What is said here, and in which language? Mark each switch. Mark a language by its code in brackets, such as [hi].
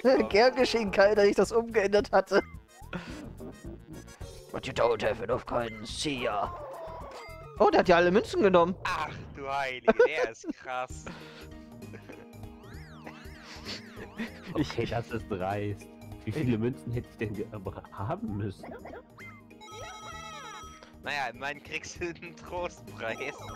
[de] Gern geschehen, Kai, dass ich das umgeändert hatte. [en] But you don't have enough coins, see ya. [de] Oh, der hat ja alle Münzen genommen. Ach du Heilige, der ist krass. Okay, das ist dreist. Wie viele Münzen hätte ich denn haben müssen? Naja, immerhin kriegst du einen Trostpreis.